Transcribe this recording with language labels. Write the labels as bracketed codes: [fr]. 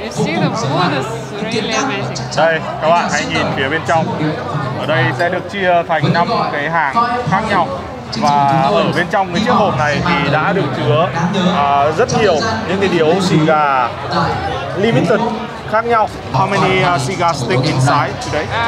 [en] You see the wood is really amazing. [vi] Đây, các bạn hãy nhìn phía bên trong. Ở đây sẽ được chia thành 5 cái hàng khác nhau. Và ở bên trong cái chiếc hộp này thì đã được chứa rất nhiều những cái điếu xì gà limited khác nhau. [en] How many cigar stick inside today?